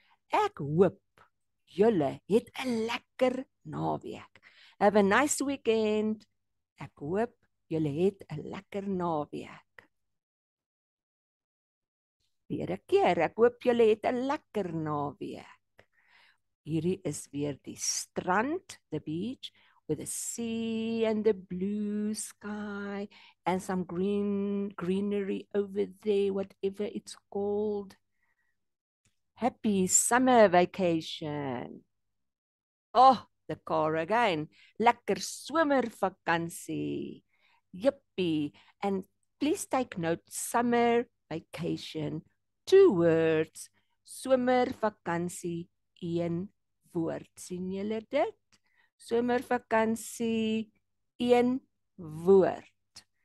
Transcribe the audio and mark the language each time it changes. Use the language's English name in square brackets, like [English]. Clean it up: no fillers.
[Afrikaans] Ek hoop julle het 'n lekker naweek. [English] Have a nice weekend. [Afrikaans] Ek hoop julle het 'n lekker naweek. Weer 'n keer, ek hoop julle het 'n lekker naweek. Hierdie is weer die strand, [English] the beach, with the sea and the blue sky and some greenery over there, whatever it's called. Happy summer vacation. Oh, the car again. [Afrikaans] Lekker somervakansie. Yippee. [English] And please take note, summer vacation, two words. [Afrikaans] Somervakansie, een woord. Sien julle dit? Somervakansie, een woord.